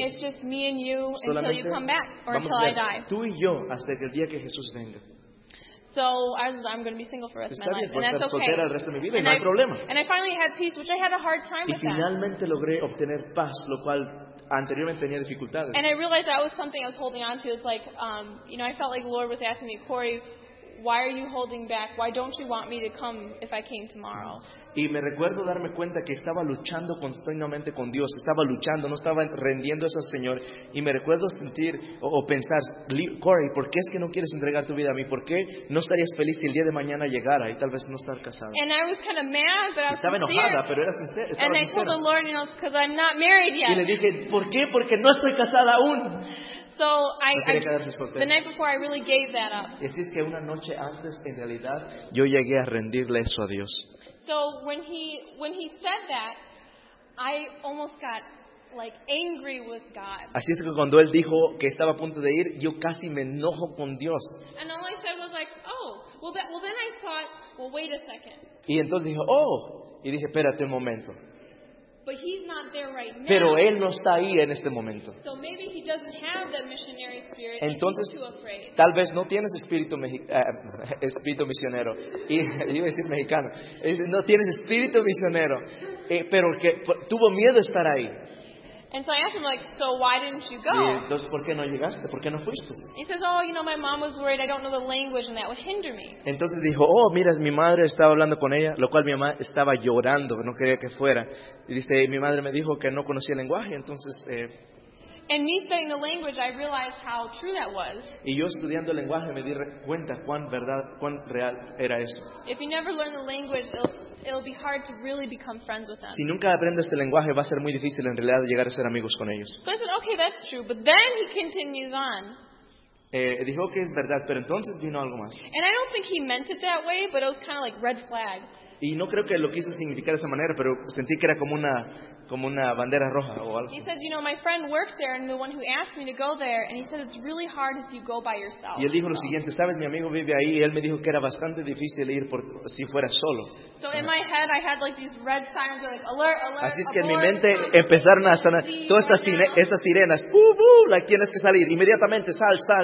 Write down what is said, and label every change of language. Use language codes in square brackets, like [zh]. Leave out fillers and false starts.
[en] It's just me and you until you come back or until I die. [es] Tú y yo hasta el día que Jesús venga. [en] So I'm going to be single for the rest of my life. And that's okay. Vida, and, no I, and I finally had peace, which I had a hard time y with that. [es] Y finalmente logré obtener paz, lo cual anteriormente tenía dificultades. [en] And I realized that was something I was holding on to. It's like, you know, I felt like the Lord was asking me, Corey, why are you holding back? Why don't you want me to come if I came tomorrow? [es] Y me recuerdo darme cuenta que estaba luchando continuamente con Dios. Estaba luchando, no estaba rendiendo eso al Señor. Y me recuerdo sentir o pensar, Corey, ¿por qué es que no quieres entregar tu vida a mí? ¿Por qué no estarías feliz si el día de mañana llegara y tal vez no estar casada? [en] And I was kind of mad, but I was [es] estaba [en] sincere. [es] Enojada, pero era sincera. [en] And I told the Lord, you know, because I'm not married yet. [es] Y le dije, ¿por qué? Porque no estoy casada aún. [en] So I the night before I really gave that up. [es] Y así es que una noche antes, en realidad, yo llegué a rendirle eso a Dios. [en] So when he said that, I almost got like angry with God. [es] Así es que cuando él dijo que estaba a punto de ir, yo casi me enojo con Dios. [en] And all I said was like, oh, well then I thought, well wait a second. [es] Y entonces dijo, oh, y dije, espérate un momento. [en] But he's not there right now. [es] Pero él no está ahí en este momento. [en] So maybe he doesn't have that missionary spirit. [es] Entonces, [en] he's too afraid. [es] Tal vez no tienes espíritu espíritu misionero. Y iba a decir mexicano. No tienes espíritu misionero. Pero que tuvo miedo estar ahí. [en] And so I asked him, like, so why didn't you go? [es] Y entonces, ¿por qué no llegaste? ¿Por qué no fuiste? [en] He says, oh, you know, my mom was worried. I don't know the language, and that would hinder me. [es] Entonces dijo, oh, mira, mi madre estaba hablando con ella, lo cual mi mamá estaba llorando, no quería que fuera. Y dice, mi madre me dijo que no conocía el lenguaje, entonces. [en] And me studying the language, I realized how true that was. [es] Y yo estudiando el lenguaje me di cuenta cuán verdad, cuán real era eso. [en] If you never learn the language, it'll be hard to really become friends with them. [es] Si nunca aprendes el lenguaje, va a ser muy difícil en realidad llegar a ser amigos con ellos. [en] So I said, okay, that's true. But then he continues on. [es] Dijo que es verdad, pero entonces vino algo más. [en] And I don't think he meant it that way, but it was kind of like red flag. [es] Y no creo que lo quiso significar de esa manera, pero sentí que era como una bandera roja o algo. [en] He said, you know, my friend works there, and the one who asked me to go there, and he said it's really hard if you go by yourself. [es] Y él dijo lo siguiente, sabes, mi amigo vive ahí, y él me dijo que era bastante difícil ir por si fuera solo. [en] So in my head, I had like these red sirens, like alert, alert. [es] Así es que en mi mente empezaron a sonar todas estas sirenas, ¡uh! La tienes que salir inmediatamente, sal.